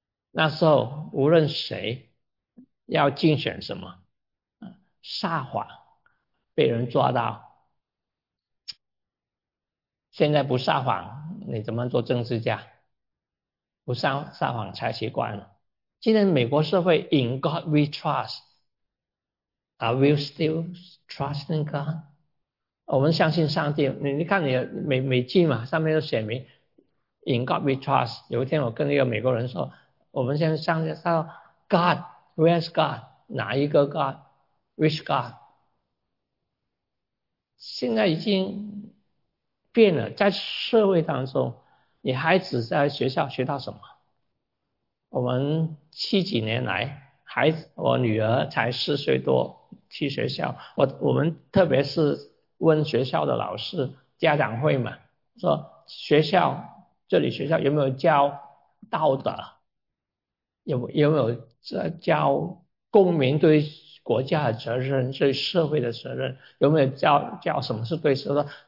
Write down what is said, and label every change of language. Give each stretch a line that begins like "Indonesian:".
Chinese: 那时候，无论谁要竞选什么，撒谎被人抓到，现在不撒谎，你怎么做政治家？不撒谎才奇怪呢。今天美国社会，
English: In God we trust。 Are we still trusting God？
Chinese: 我们相信上帝。你看，你美剧嘛，上面都写明
English: "In God we trust"。
Chinese: 有一天，我跟一个美国人说，我们现在上帝说
English: "God，Where's God？
Chinese: 哪一个 God？
English: Which God？"
Chinese: 现在已经变了，在社会当中，你孩子在学校学到什么？我们70几年来。孩子，我女儿才4岁多，去学校。我们特别是问学校的老师、家长会嘛，说学校这里学校有没有教道德，有没有在教公民对国家的责任、对社会的责任，有没有教什么是对是错？